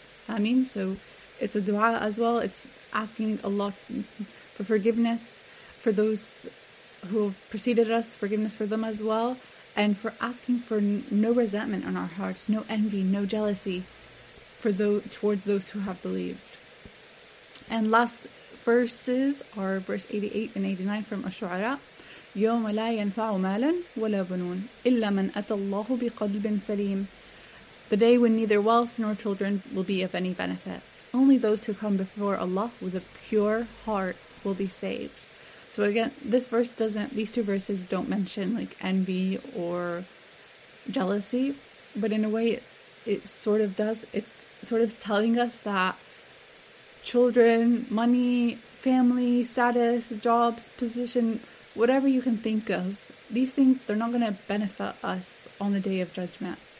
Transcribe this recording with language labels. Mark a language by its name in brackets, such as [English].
[English] I mean, so it's a du'a as well. It's asking Allah for forgiveness for those who preceded us, forgiveness for them as well, and for asking for no resentment on our hearts, no envy, no jealousy for those, towards those who have believed. And last verses are verse 88 and 89 from Ash-Shu'ara. [Arabic] يوم لا ينفع مالا ولا بنون إلا من أتى الله بقلب سليم. [English] The day when neither wealth nor children will be of any benefit. Only those who come before Allah with a pure heart will be saved. So again, this verse doesn't, these two verses don't mention like envy or jealousy, but in a way it sort of does. It's sort of telling us that children, money, family, status, jobs, position, whatever you can think of, these things, they're not going to benefit us on the Day of Judgment.